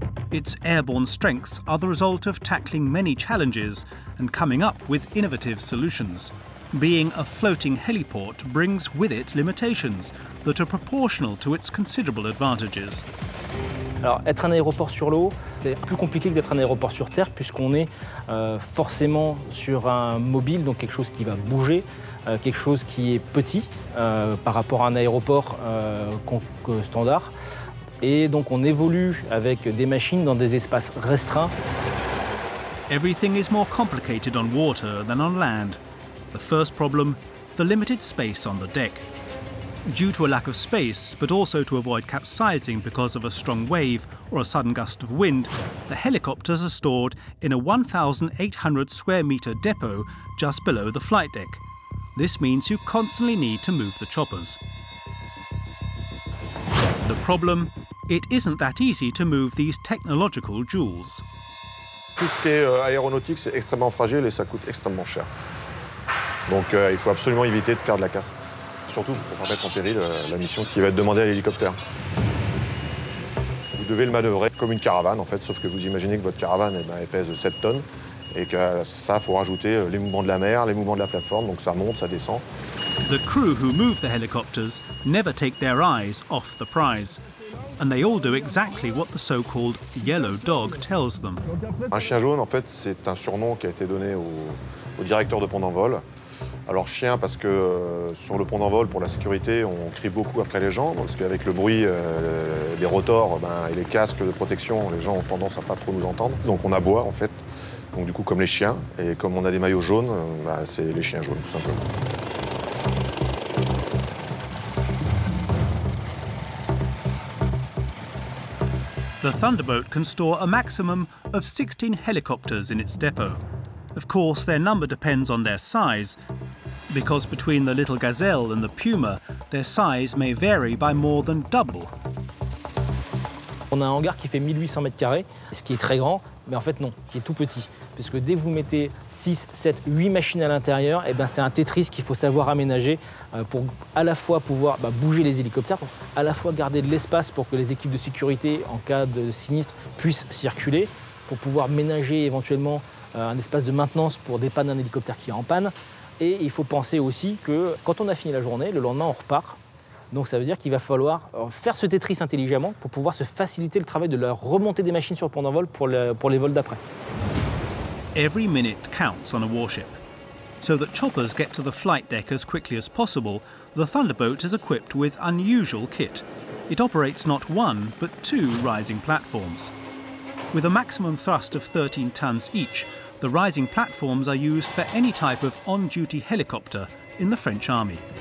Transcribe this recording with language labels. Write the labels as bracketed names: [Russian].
[English] Its airborne strengths are the result of tackling many challenges and coming up with innovative solutions. Being a floating heliport brings with it limitations that are proportional to its considerable advantages. [French] Alors, être un aéroport sur l'eau, c'est plus compliqué que d'être un aéroport sur terre puisqu'on est forcément sur un mobile, donc quelque chose qui va bouger, quelque chose qui est petit par rapport à un aéroport standard. Et donc on évolue avec des machines dans des espaces restreints. [English] Everything is more complicated on water than on land. The first problem, the limited space on the deck. Due to a lack of space, but also to avoid capsizing because of a strong wave or a sudden gust of wind, the helicopters are stored in a 1,800 square meter depot just below the flight deck. This means you constantly need to move the choppers. The problem, it isn't that easy to move these technological jewels. [French] Tout ce qui est aéronautique, c'est extrêmement fragile et ça coûte extrêmement cher. Donc il faut absolument éviter de faire de la casse. Surtout pour ne pas mettre en péril la mission qui va être demandée à l'hélicoptère. Vous devez le manœuvrer comme une caravane, en fait, sauf que vous imaginez que votre caravane pèse 7 tonnes et que ça, il faut rajouter les mouvements de la mer, les mouvements de la plateforme, donc ça monte, ça descend. [English] The crew who move the helicopters never take their eyes off the prize. And they all do exactly what the so-called yellow dog tells them. [French] Un chien jaune, en fait, c'est un surnom qui a été donné au directeur de pont d'envol. Alors chien, parce que sur le pont d'envol, pour la sécurité, on crie beaucoup après les gens, parce qu'avec le bruit des rotors et les casques de protection, les gens ont tendance à pas trop nous entendre. Donc on aboie, en fait, donc du coup comme les chiens. Et comme on a des maillots jaunes, c'est les chiens jaunes, tout simplement. [English] The Thunderboat can store a maximum of 16 helicopters in its depot. Of course, their number depends on their size, because between the little gazelle and the puma, their size may vary by more than double. [French] On a un hangar qui fait 1800 mètres carrés, ce qui est très grand, mais en fait non, qui est tout petit. Parce que dès que vous mettez 6, 7, 8 machines à l'intérieur, et ben c'est un Tetris qu'il faut savoir aménager pour à la fois pouvoir bouger les hélicoptères, à la fois garder de l'espace pour que les équipes de sécurité, en cas de sinistre, puissent circuler, pour pouvoir ménager éventuellement un espace de maintenance pour dépanner un hélicoptère qui est en panne. Et il faut penser aussi que quand on a fini la journée, le lendemain, on repart. Donc ça veut dire qu'il va falloir faire ce Tetris intelligemment pour pouvoir se faciliter le travail de la remontée des machines sur le point d'envol pour les vols d'après. [English] Every minute counts on a warship. So that choppers get to the flight deck as quickly as possible, the Thunderboat is equipped with unusual kit. It operates not one, but two rising platforms. With a maximum thrust of 13 tons each, the rising platforms are used for any type of on-duty helicopter in the French Army.